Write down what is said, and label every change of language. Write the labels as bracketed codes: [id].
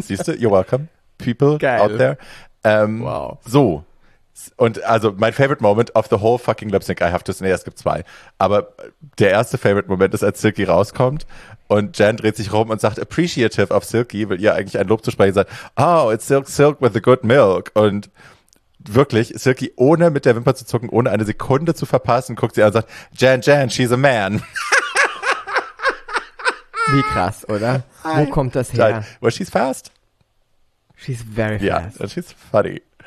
[de] Siehst du? [en] You're welcome. People geil. Out there. Wow. [de] So. Und also mein [en] favorite moment of the whole fucking lip sync, I have to say, [de] es gibt zwei. Aber der erste favorite moment ist, als Silky rauskommt und Jen dreht sich rum und sagt appreciative auf Silky, will ihr eigentlich ein Lob zu sprechen sein. [en] Oh, it's Silk with the good milk. [de] Und wirklich, Silky, ohne mit der Wimper zu zucken, ohne eine Sekunde zu verpassen, guckt sie an und sagt, Jen, [en] she's a man. [de] Wie krass, oder? Wo kommt das her? [en] Well, she's fast. She's very fast. Yeah, and she's funny.